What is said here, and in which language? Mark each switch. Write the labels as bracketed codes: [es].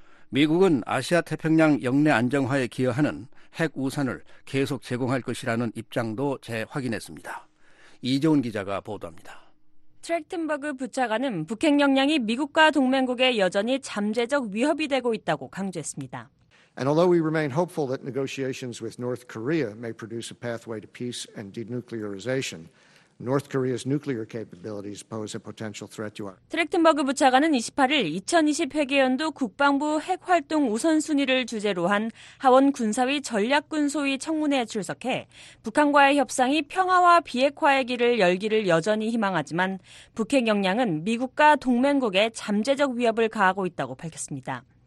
[ko] 미국은 아시아 태평양 역내 안정화에 기여하는 핵 우산을 계속 제공할 것이라는 입장도 재확인했습니다. 이재훈 기자가 보도합니다. 트렉튼버그 부차관은 북핵 역량이 미국과 동맹국에 여전히 잠재적 위협이 되고 있다고 강조했습니다. [en] And although we remain hopeful that negotiations with North Korea may produce a pathway to peace and denuclearization, North Korea's nuclear capabilities pose a potential threat to our. [ko] 트렉튼버그 부차관은 28일 2020 회계연도 국방부 핵 활동 우선순위를 주제로 한 하원 군사위 전략군 소위 청문회에 출석해 북한과의 협상이 평화와 비핵화의 길을 열기를 여전히 희망하지만 북핵 역량은 미국과 동맹국에 잠재적 위협을 가하고 있다고 밝혔습니다.